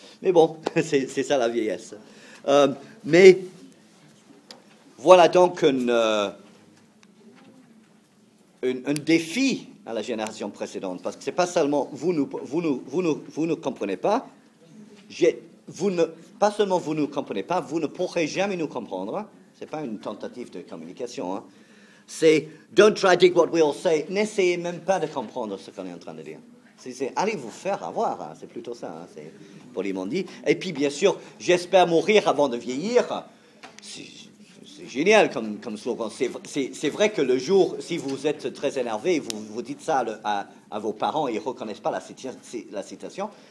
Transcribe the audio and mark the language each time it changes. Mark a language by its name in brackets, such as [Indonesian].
[French] Mais bon, c'est ça la vieillesse. Mais voilà donc un défi à la génération précédente, parce que c'est pas seulement vous ne comprenez pas, vous ne pourrez jamais nous comprendre. C'est pas une tentative de communication, hein. c'est [English] don't try to dig what we all say. [French] N'essayez même pas de comprendre ce qu'on est en train de dire. C'est allez vous faire avoir, hein. C'est plutôt ça, hein. C'est poliment dit. Et puis bien sûr, j'espère mourir avant de vieillir. C'est génial comme slogan. C'est vrai que le jour, si vous êtes très énervé, vous dites ça à vos parents, ils ne reconnaissent pas la citation.